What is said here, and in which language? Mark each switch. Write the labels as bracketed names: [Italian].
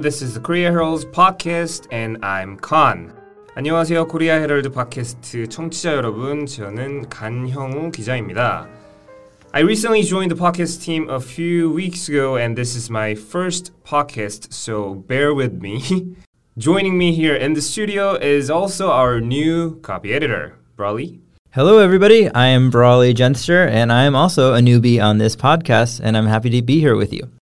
[English] This is the Korea Herald's podcast, and I'm Khan. [Korean] 안녕하세요, 코리아 헤럴드 팟캐스트 청취자 여러분. 저는 간형우 기자입니다. [English] I recently joined the podcast team a few weeks ago, and this is my first podcast, so bear with me. Joining me here in the studio is also our new copy editor, Brawley. Hello, everybody. I am Brawley Jenster, and I am also a newbie on this podcast, and I'm happy to be here with you.